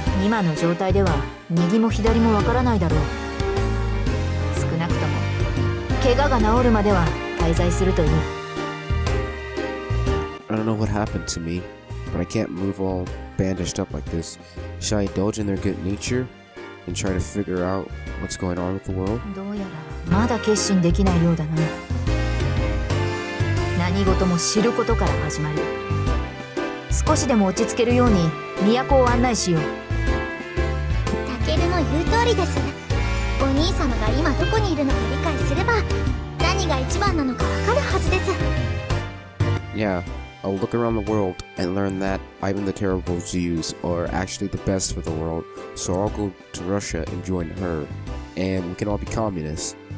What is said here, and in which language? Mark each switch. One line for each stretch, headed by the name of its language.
Japanese: 今の状態では右も左もわからないだろう。少なくとも怪我が治るまでは滞在するといい。
English: I don't know what happened to me, but I can't move all bandaged up like this. Should I indulge in their good nature and try to figure out what's going on with the world?
Japanese: どうやらまだ決心できないようだな。何事も知ることから始まる。少しでも落ち着けるように。都を案内しよう。タケルの言う通りです。お兄様が今どこにいるのか理解すれば、何が一番なのか分かる。はずです。
English: Yeah, I'll look around the world and learn that Ivan the Terrible's views are actually the best for the world, so I'll go to Russia and join her, and we can all be communists.